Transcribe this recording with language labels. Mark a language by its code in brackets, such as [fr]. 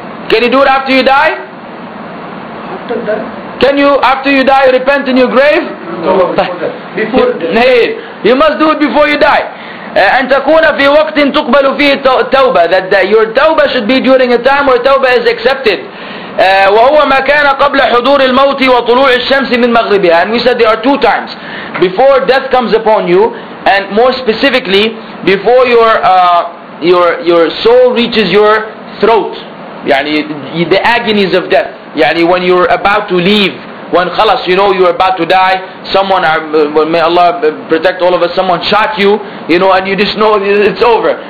[en] Can you do it after you die? After death? Can you, after you die, repent in your grave? No, before death. Before death. Nee, you must do it before you die. [ar] أن تكون في وقت تقبل فيه التوبة, [en] that your tawbah should be during a time where tawbah is accepted. [ar] وهو ما كان قبل حضور الموت وطلوع الشمس من مغربها. [en] And we said there are two times. Before death comes upon you, and more specifically, before your soul reaches your throat, يعني the agonies of death, يعني when you're about to leave, when خلاص, you know you're about to die, someone, may Allah protect all of us, someone shot you, you know, and you just know it's over.